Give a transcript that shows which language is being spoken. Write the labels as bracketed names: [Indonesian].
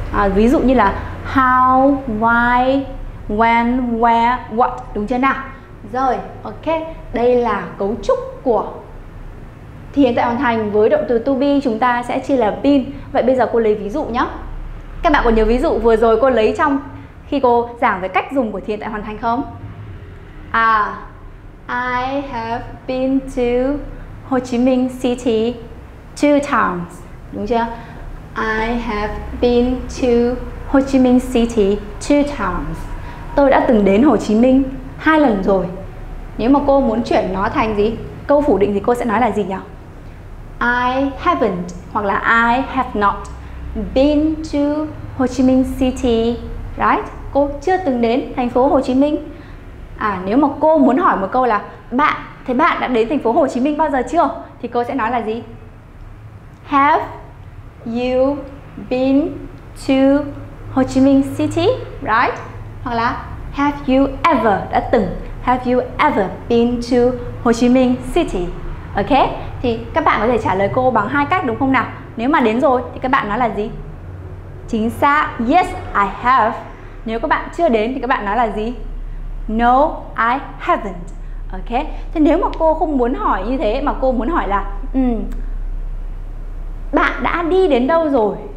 [Vietnamese] À, ví dụ như là [English] how, why, when, where, what, [Vietnamese] đúng chưa nào? Rồi, ok. Đây là cấu trúc của thì hiện tại hoàn thành với động từ to be, chúng ta sẽ chia là been. Vậy bây giờ cô lấy ví dụ nhé. Các bạn có nhớ ví dụ vừa rồi cô lấy trong khi cô giảng về cách dùng của thì hiện tại hoàn thành không? [English] À, I have been to Ho Chi Minh City 2 times. [Vietnamese] Đúng chưa? [English] I have been to Ho Chi Minh City 2 times. [Vietnamese] Tôi đã từng đến Hồ Chí Minh 2 lần rồi. Nếu mà cô muốn chuyển nó thành gì? Câu phủ định thì cô sẽ nói là gì nhỉ? [English] I haven't hoặc là I have not been to Ho Chi Minh City. Right? [Vietnamese] Cô chưa từng đến thành phố Hồ Chí Minh. À, nếu mà cô muốn hỏi một câu là bạn, thế bạn đã đến thành phố Hồ Chí Minh bao giờ chưa? Thì cô sẽ nói là gì? [English] Have you been to Ho Chi Minh City? Right? [Vietnamese] Hoặc là [English] have you ever, [Vietnamese] đã từng, [English] have you ever been to Ho Chi Minh City? [Vietnamese] Ok, thì các bạn có thể trả lời cô bằng hai cách đúng không nào? Nếu mà đến rồi thì các bạn nói là gì? Chính xác, [English] yes I have. [Vietnamese] Nếu các bạn chưa đến thì các bạn nói là gì? [English] No I haven't. [Vietnamese] Ok, thì nếu mà cô không muốn hỏi như thế mà cô muốn hỏi là bạn đã đi đến đâu rồi?